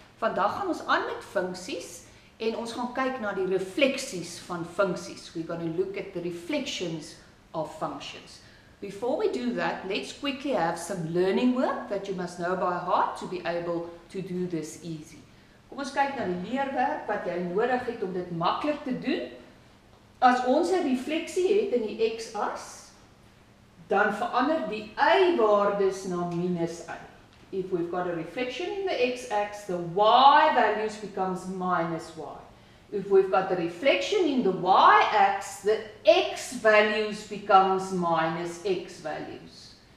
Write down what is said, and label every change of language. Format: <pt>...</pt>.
<af>Vandag gaan ons aan met funksies en ons gaan kyk na die refleksies van funksies.</af> <en>We're going to look at the reflections of functions. Before we do that, let's quickly have some learning work that you must know by heart to be able to do this easy.</en> <af>Kom ons kyk na die leerwerk wat jy nodig het om dit makkelijk te doen. As ons 'n refleksie het in die x-as, dan verander die y-waardes na minus y.</af> <en>If we've got a reflection in the x-axis, the y-values becomes minus y. If we've got a reflection in the y-axis, the x-values becomes minus x-values.</en>